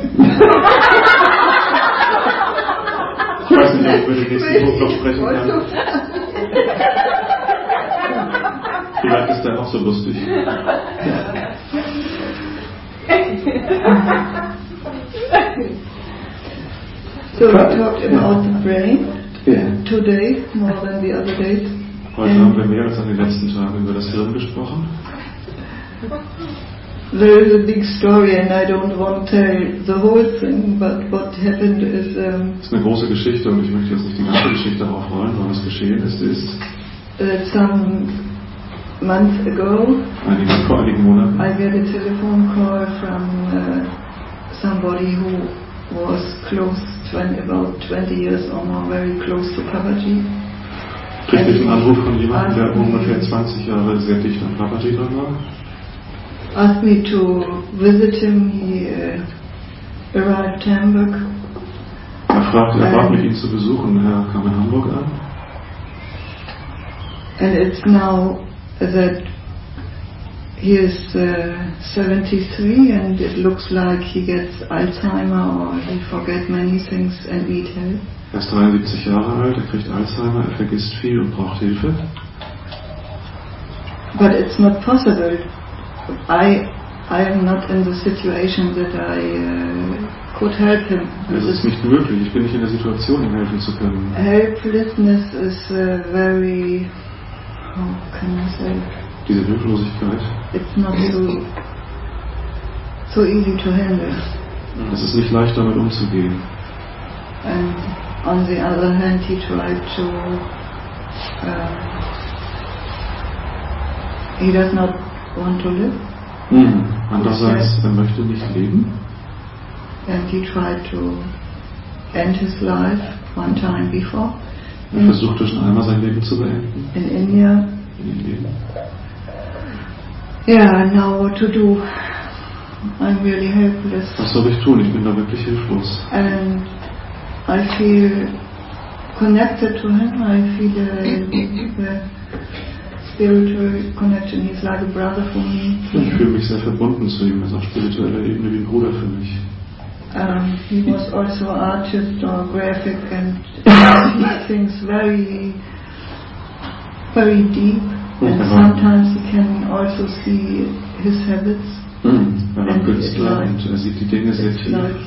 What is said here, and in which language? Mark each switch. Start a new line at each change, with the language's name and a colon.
English: I don't know if you can speak about the next point. So we talked about the brain. Yeah. Today, more than the other days.
German: Heute haben wir mehr als an den letzten Tagen über das Hirn gesprochen.
English: There is a big story and I don't want to tell the whole thing, but what happened is...
German: It's eine große Geschichte und ich möchte jetzt nicht die ganze Geschichte aufrollen, sondern was geschehen ist, ist...
English: That some months ago,
German: vor einigen Monaten,
English: I got a telephone call from somebody who was close, about 20 years or more, very close to Papaji.
German: Kriegte ich einen Anruf von jemandem, der ungefähr 20 Jahre sehr dicht an Papaji dran war?
English: Asked me to visit him. He arrived in Hamburg.
German: Er fragt mich, ihn zu besuchen. Er kam in Hamburg an.
English: And it's now that he is 73 and it looks like he gets Alzheimer or he forgets many things and needs help.
German: Er ist 73 Jahre alt, er kriegt Alzheimer, er vergisst viel und braucht Hilfe.
English: But it's not possible. I am not in the situation that I could help him.
German: Es ist nicht möglich. Ich bin nicht in der Situation, ihm helfen zu können.
English: Helplessness is very... How can I say?
German: Diese Hilflosigkeit.
English: It's not so easy to handle.
German: Es ist nicht leicht, damit umzugehen.
English: And on the other hand, he tried to... he does not... want to live.
German: Andererseits, er möchte nicht leben.
English: And he tried to end his life one time before.
German: Er versuchte schon einmal sein Leben zu beenden.
English: In India.
German: In Indien.
English: Yeah, now what to do? I'm really helpless.
German: Was soll ich tun? Ich bin da wirklich hilflos.
English: And I feel connected to him. I feel spiritual connection. He's like a brother for me.
German: Ich fühle mich sehr verbunden zu ihm. Er ist auf spiritueller Ebene wie ein Bruder für mich.
English: He was also artist or graphic and he thinks very, very deep. And sometimes he can also see his habits.
German: Er ein Künstler und er sieht die Dinge sehr tief.